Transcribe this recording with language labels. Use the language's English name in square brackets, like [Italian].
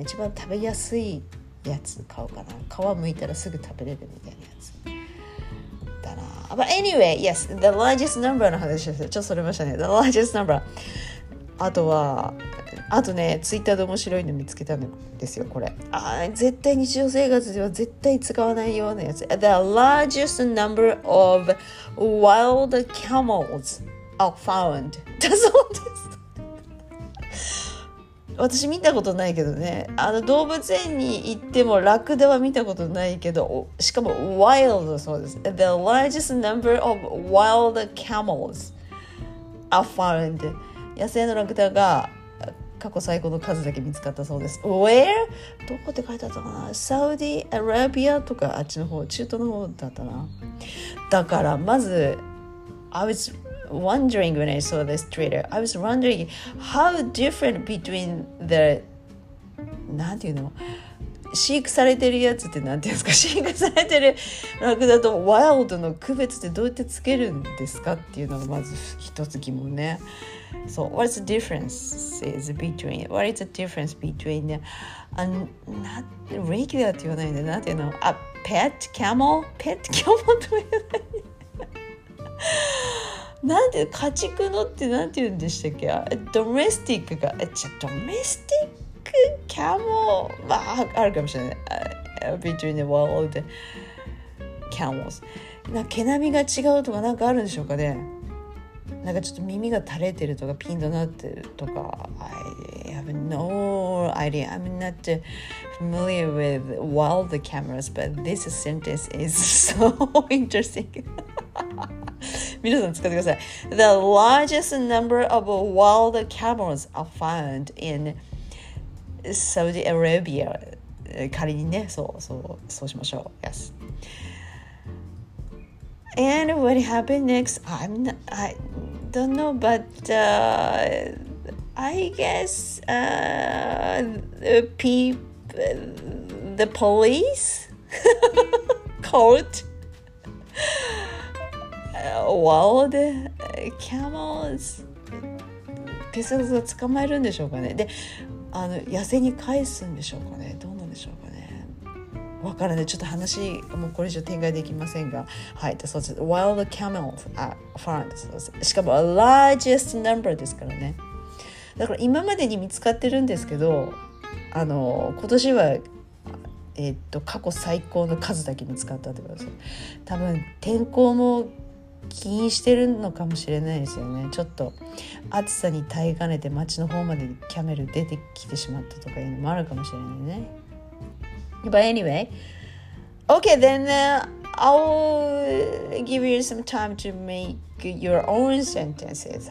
[Japanese] 一番食べやすいやつ買おうかな。皮むいたらすぐ食べれるみたいなやつだな。 [English] But anyway, yes, the largest number [Japanese] の話です。ちょっとそれましたね。 [English] The largest number. [Japanese] あとは、あとね、ツイッターで面白いの見つけたんですよ、これ。あ、絶対日常生活では絶対使わないようなやつ。 [English] The largest number of wild camels are found. [Japanese] だそうです。私見たことないけどね。動物園に行ってもラクダは見たことないけど、しかも wild そうです。 [English] The largest number of wild camels are found. [Japanese] 野生のラクダが過去最高の数だけ見つかったそうです。 [English] Where? [Japanese] どこって書いてあったかな。サウディアラビアとかあっちの方、中東の方だったな。だからまず、 [English] I was wondering when I saw this Twitter. I was wondering how different between the [Japanese] なんていうの、飼育されてるやつってなんていうんですか。飼育されてるラクダとワイルドの区別ってどうやってつけるんですかっていうのがまず一つ疑問ね。 [English] So what's the difference is between what is the difference between a not regular [Japanese] って言わないで、なんていうの、 [English] a pet camel? Pet camel [Japanese] と言わないなんて家畜のってなんて言うんでしたっけ、 a [English] domestic が、 [Japanese] じゃあ [English] domestic camel、 [Japanese] まああるかもしれない、 [English] between the wild camels、 [Japanese] なんか毛並みが違うとかなんかあるんでしょうかね、なんかちょっと耳が垂れてるとかピンとなってるとか。 [English] I have no idea. I'm not familiar with wild cameras, but this sentence is so interesting. [Japanese] 皆さん使ってください。 [English] The largest number of wild cameras are found in Saudi Arabia. [Japanese] 仮にね、そうしましょう。 [English] Yes. And what happened next? I don't know, but I guess the police caught wild camels. [Japanese] 警察が捕まえるんでしょうかね。で、野生に返すんでしょうかね。どうなんでしょうかね。わからない、ちょっと話もうこれ以上展開できませんが、はい、そうです。 [English] Wild camels are found、 [Japanese] しかも [English] largest number [Japanese] ですからね。だから今までに見つかってるんですけど、今年は過去最高の数だけ見つかったってことです。多分天候も起因してるのかもしれないですよね。ちょっと暑さに耐えかねて街の方までキャメル出てきてしまったとかいうのもあるかもしれないね。 [English] But anyway, okay, then I'll give you some time to make your own sentences.